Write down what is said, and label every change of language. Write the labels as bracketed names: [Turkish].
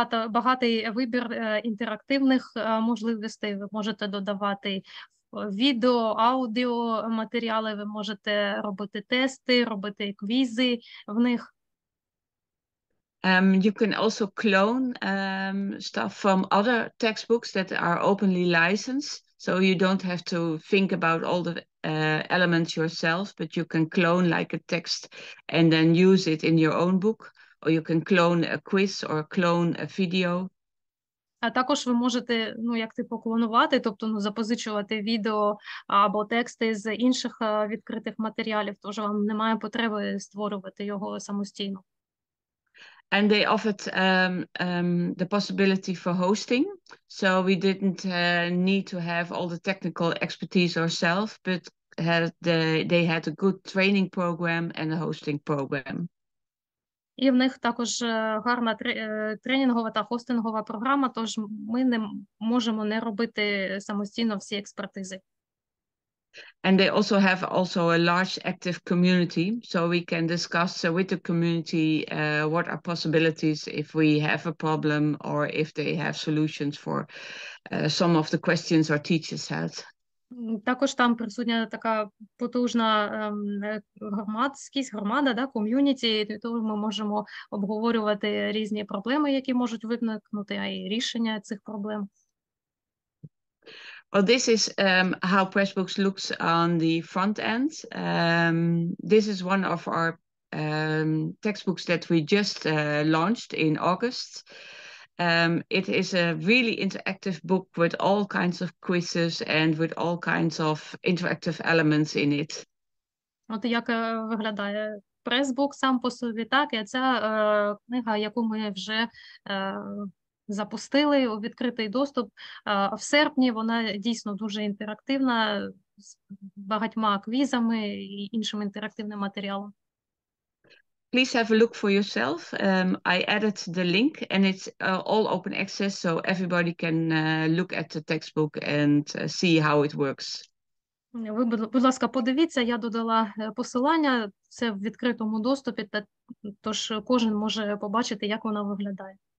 [Ukrainian] Багатий вибір інтерактивних можливостей. Ви можете додавати відео, аудіо матеріали, ви можете робити тести, робити квізи в них. [English] You can also clone stuff from other textbooks that are openly licensed. So you don't have to think about all the elements yourself, but you can clone like a text and then use it in your own book, or you can clone a quiz or clone a video. [Ukrainian] А також ви можете, ну, як типу, клонувати, тобто, ну, запозичувати відео або тексти з інших відкритих матеріалів, тож вам немає потреби створювати його самостійно. [English] And they offered the possibility for hosting. So we didn't need to have all the technical expertise ourselves, but they had a good training program and a hosting program. [Ukrainian] І в них також гарна тренінгова та хостингова програма, тож ми не можемо не робити самостійно всі експертизи. [English] And they also have also a large active community, so we can discuss with the community what are possibilities if we have a problem or if they have solutions for some of the questions our teachers had. [Ukrainian] Також там присутня така потужна громада, да, ком'юніті, тому ми можемо обговорювати різні проблеми, які можуть виникнути, а й рішення цих проблем. [English] Well, this is how Pressbooks looks on the front end. This is one of our textbooks that we just launched in August. It is a really interactive book with all kinds of quizzes and with all kinds of interactive elements in it. [Ukrainian] От як виглядає Pressbook сам по собі, так, і ця книга, яку ми вже запустили у відкритий доступ в серпні, вона дійсно дуже інтерактивна з багатьма квізами і іншим інтерактивним матеріалом. [English] Please have a look for yourself. I added the link and it's all open access, so everybody can look at the textbook and see how it works. [Ukrainian] Ви, будь ласка, подивіться, я додала посилання, це в відкритому доступі, тож кожен може побачити, як вона виглядає.